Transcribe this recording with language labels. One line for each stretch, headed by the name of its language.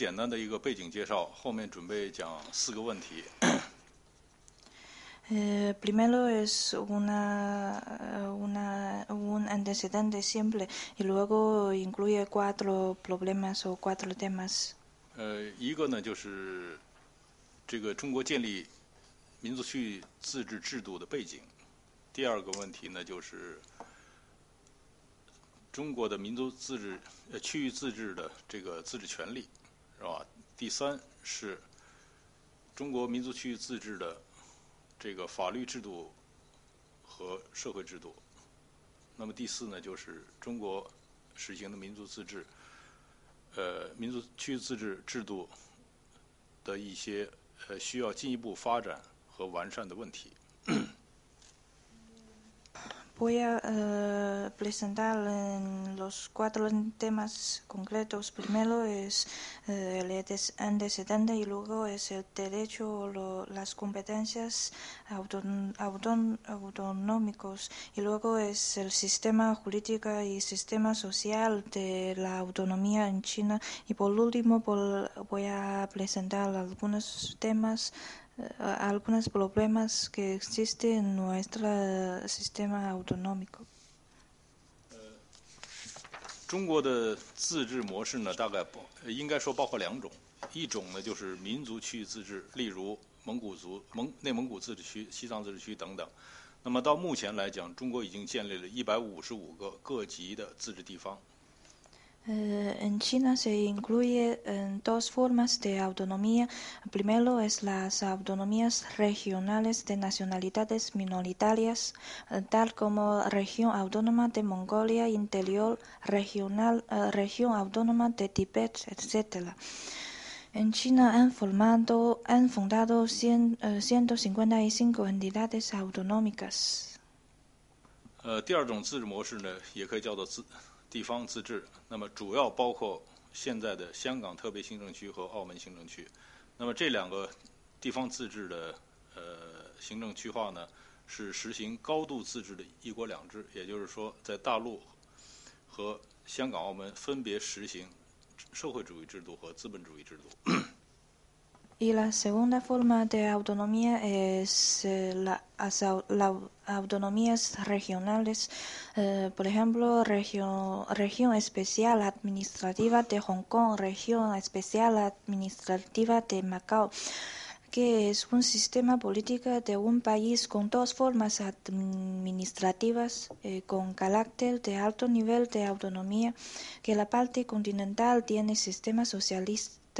Chinese: 我这个报告是前面有个很简单的一个背景介绍，后面准备讲四个问题。
Spanish: Primero es un antecedente simple, y luego incluye cuatro problemas o cuatro temas.
Chinese: 一个呢就是这个中国建立民族区域自治制度的背景。第二个问题呢，就是中国的民族自治区域自治的这个自治权利，是吧？第三是中国民族区域自治的这个法律制度和社会制度。那么第四呢，就是中国实行的民族自治，民族区域自治制度的一些需要进一步发展和完善的问题。
Spanish: Voy a presentar en los cuatro temas concretos. Primero es el antecedente y luego es el derecho o las competencias autonómicos y luego es el sistema jurídico y sistema social de la autonomía en China. Y por último voy a presentar algunos temas. Algunos problemas que existen en nuestro sistema autonómico.
Chinese: 中国的自治模式呢，大概应该说包括两种，一种呢就是民族区域自治，例如蒙古族、内蒙古自治区、西藏自治区等等。那么到目前来讲，中国已经建立了155个各级的自治地方。
Spanish: En China se incluye dos formas de autonomía. Primero es las autonomías regionales de nacionalidades minoritarias, tal como región autónoma de Mongolia Interior, región autónoma de Tíbet, etc. En China han fundado 155 entidades autonómicas.
Chinese: 第二种自治模式呢，也可以叫做地方自治，那么主要包括现在的香港特别行政区和澳门行政区。那么这两个地方自治的行政区划呢，是实行高度自治的一国两制，也就是说在大陆和香港澳门分别实行社会主义制度和资本主义制度。
Spanish: Y la segunda forma de autonomía es las autonomías regionales, por ejemplo, región especial administrativa de Hong Kong, región especial administrativa de Macao, que es un sistema político de un país con dos formas administrativas, con carácter de alto nivel de autonomía, que la parte continental tiene sistema socialista.